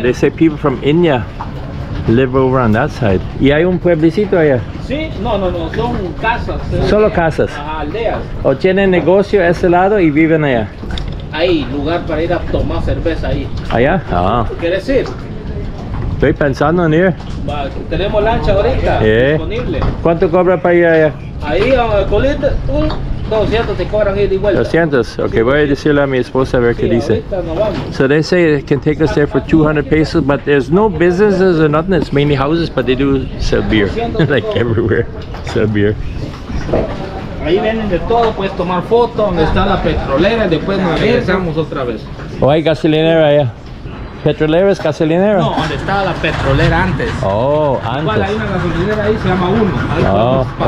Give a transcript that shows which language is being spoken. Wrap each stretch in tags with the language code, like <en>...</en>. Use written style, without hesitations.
<en>They say people from India live over on that side.</en> <es>¿Y hay un pueblecito allá? Sí, no, son casas. Solo casas. Aldeas. O tienen negocio ese lado y viven allá. Hay lugar para ir a tomar cerveza ahí. ¿Allá? Ah. ¿Quieres ir? Estoy pensando en ir. Tenemos lancha ahorita.</es> <en>Yeah.</en> <es>Disponible. ¿Cuánto cobra para ir allá? Ahí, colita, 200 te cobran ir igual. 200, ok, sí, voy a decirle a mi esposa a ver sí, qué dice. No vamos.</es> <en>So they say it can take us there for 200 pesos, but there's no businesses or nothing, it's mainly houses, but they do sell beer. Like everywhere, sell beer.</en> <es>Ahí venden de todo, puedes tomar foto, donde está la petrolera, después nos regresamos otra vez. ¿O hay gasolinera allá? ¿Petrolera es gasolinera? No, donde estaba la petrolera antes. Oh, antes. Igual hay una gasolinera ahí, se llama Uno.</es>